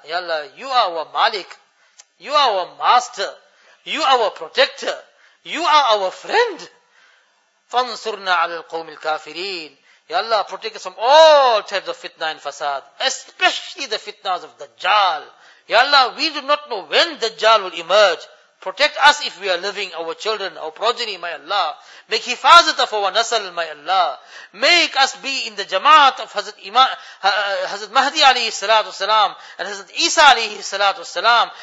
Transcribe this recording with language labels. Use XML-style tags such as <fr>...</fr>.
<en>Ya Allah, you are our Malik, you are our Master, you are our Protector, you are our Friend.</en> <ar>فانصرنا على القوم الكافرين.</ar> <en>Ya Allah, protect us from all types of fitna and fasad, especially the fitnas of Dajjal. Ya Allah, we do not know when Dajjal will emerge. Protect us if we are living, our children, our progeny, my Allah. Make hifazat of our nasal, my Allah. Make us be in the jamaat of Hazrat Mahdi alayhi salatu salam and Hazrat Isa alayhi salatu salam.</en>